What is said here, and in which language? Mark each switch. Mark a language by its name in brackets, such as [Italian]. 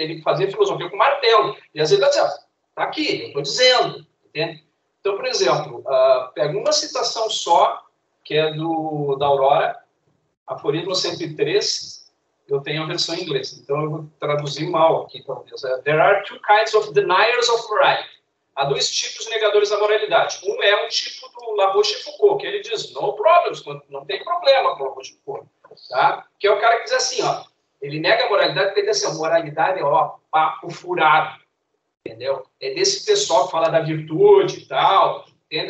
[Portuguese] Ele fazia filosofia com martelo. E às vezes ele está dizendo, está aqui, eu estou dizendo. Entende? Então, por exemplo, pega uma citação só, que é da Aurora, aforismo 103, eu tenho a versão em inglês. Então, eu vou traduzir mal aqui, talvez. [English] There are two kinds of deniers of right. [Portuguese] Há dois tipos de negadores da moralidade. Um é um tipo do La Rochefoucauld, que ele diz, [English] no problems, [Portuguese] não tem problema com La Rochefoucauld. Tá? Que é o cara que diz assim, ó, ele nega a moralidade porque diz assim, a moralidade é ó, papo furado. Entendeu? É desse pessoal que fala da virtude e tal. Entende?